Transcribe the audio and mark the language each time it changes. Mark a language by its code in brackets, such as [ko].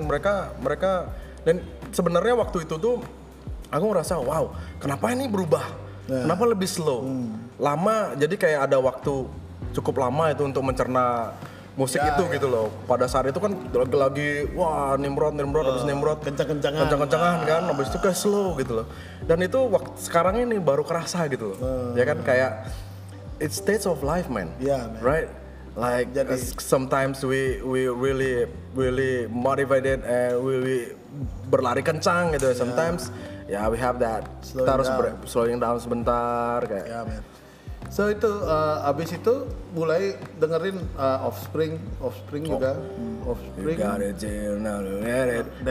[id] Mereka, dan sebenarnya waktu itu tuh aku ngerasa, wow kenapa ini berubah? Yeah. Kenapa lebih slow? Lama, jadi kayak ada waktu cukup lama itu untuk mencerna musik ya, itu ya. Gitu loh. Pada saat itu kan lagi wah Nimrod, habis Nimrod kencang-kencangan kan, habis itu kayak slow gitu loh. Dan itu waktu sekarang ini baru kerasa gitu loh. Ya kan kayak [en] it's stage of life man. [id] Ya, [en] man. Right? Like jadi, sometimes we really really motivated and we [id] berlari kencang gitu. [en] Sometimes ya yeah, we have that. Slowing down [id] sebentar kayak. Ya, man. So itu abis itu mulai dengerin Offspring juga. Offspring. [en] You got it, Jill, now you get it.